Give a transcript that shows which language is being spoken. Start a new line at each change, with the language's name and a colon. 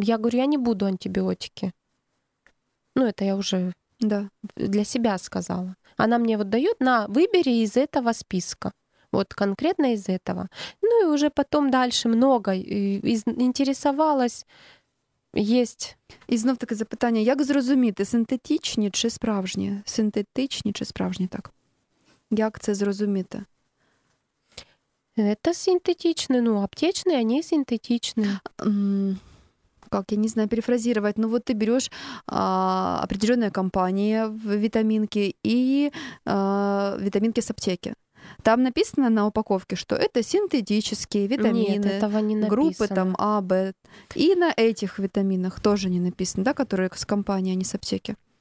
Russian: Я говорю, я не буду антибиотики. Ну, это я уже для себя сказала. Она мне вот дает: на, выбери из этого списка. Вот конкретно из этого. Ну и уже потом дальше много интересовалась. Есть.
Ukrainian: І знов таке запитання, як зрозуміти, синтетичні чи справжні? Синтетичні чи справжні, так? Як це зрозуміти? Це синтетичні, ну, аптечні, а не синтетичні.
Russian: Как, я не знаю, перефразировать. Ну вот ты берешь определенная компания витаминки и витаминки с аптеки. Там написано на упаковке, что это синтетические витамины. Нет, этого не написано. Группы там А, Б. И на этих витаминах тоже не написано, да, которые с компании, а не с аптеки.